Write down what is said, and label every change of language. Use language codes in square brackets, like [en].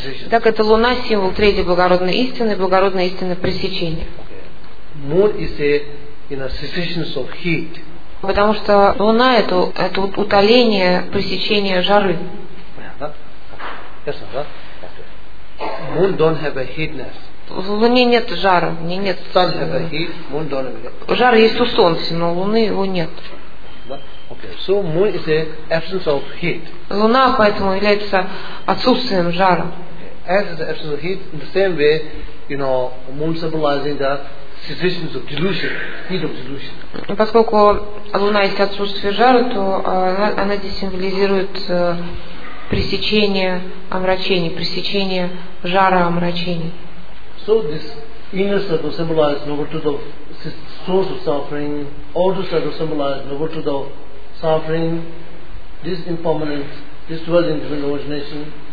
[ru] Так, эта Луна — символ третьей благородной истины, благородной истины пресечения. [en] Moon is a, in a cessation of heat. [ru] Потому что луна — это утоление, пресечение жары. [en] Yes, right? Moon don't have a heatness. [ru] В луне нет жара, в ней нет. [en] Sun have a heat, moon don't have. [ru] Жара есть у солнца, но у луны его нет. [en] Okay. So moon is a absence of heat. [ru] Луна поэтому является отсутствием жара. [en] As the absence of heat, in the same way, you know, moon symbolizing the cessations of delusion, heat of delusion. [ru] Поскольку луна есть отсутствие жара, то она здесь символизирует пресечение омрачений, пресечение жара омрачений. [en] So this inner circle symbolizes number two of source of suffering. Outer circle symbolizes number two of suffering. This impermanence, this dwelling in imagination.